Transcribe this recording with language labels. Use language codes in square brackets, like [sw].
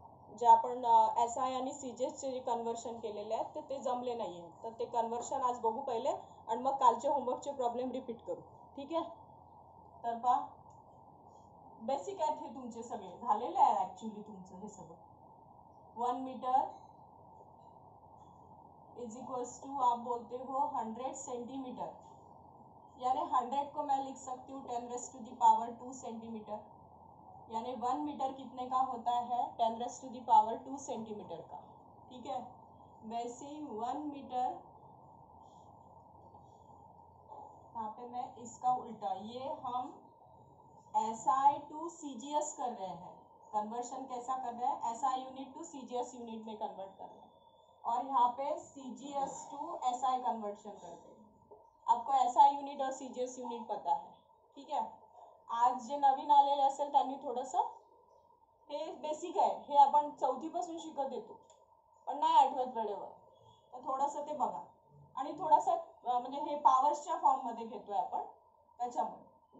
[mr] जे आपण S I आणि सी जी एसचे जे कन्वर्शन केलेले आहेत तर ते जमले नाही आहेत, तर ते कन्वर्शन आज बघू पहिले आणि मग कालचे होमवर्कचे प्रॉब्लेम रिपीट करू. ठीक आहे, तर पा बेसिक आहेत हे तुमचे सगळे झालेले आहे ऍक्च्युली तुमचं हे सगळं. [hi] 1 मीटर [en] is equals to [hi] आप बोलते हो 100 सेंटीमीटर, यानी 100 को मैं लिख सकती हूँ 10^2 सेंटीमीटर, यानी 1 मीटर कितने का होता है 10^2 सेंटीमीटर का. ठीक है, वैसे 1 मीटर यहाँ पे मैं इसका उल्टा, ये हम S I to C G S कर रहे हैं, कन्वर्शन कैसा कर रहे हैं, S I unit to C G S unit में कन्वर्ट कर रहे हैं, और यहाँ पे सी G S to S I conversion करते हैं. आपको एस आई यूनिट और सी जी एस यूनिट पता है. [mr] ठीक है, आज जे नवीन आलेले असेल त्यांनी थोडंसं हे बेसिक आहे, हे आपण 4th पासून शिकत येतो पण नाही आठवत वेळेवर, तर थोडंसं ते बघा आणि थोडंसं म्हणजे हे पॉवर्सच्या फॉर्ममध्ये घेतोय आपण त्याच्यामुळे.